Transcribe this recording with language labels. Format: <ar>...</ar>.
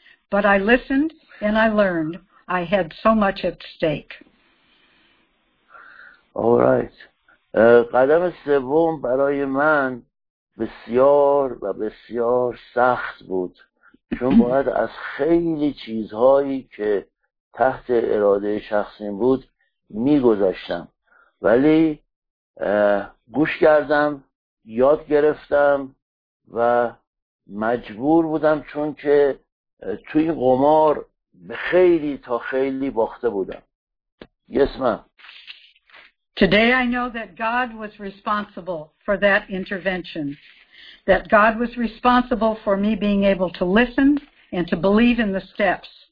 <en>But I listened and I learned I had so much at stake. All right.</en> <fa>قدم سوم برای من بسیار و بسیار سخت بود. چون باید از خیلی چیزهایی که تحت اراده شخصیم بود می گذاشتم. ولی گوش کردم، یاد گرفتم و مجبور بودم چون که توی قمار به خیلی تا خیلی باخته بودم.</fa> <en>Yes, ma'am. Today I know that God was responsible for that intervention. That God was responsible for me being able to listen and to believe in the steps.</en>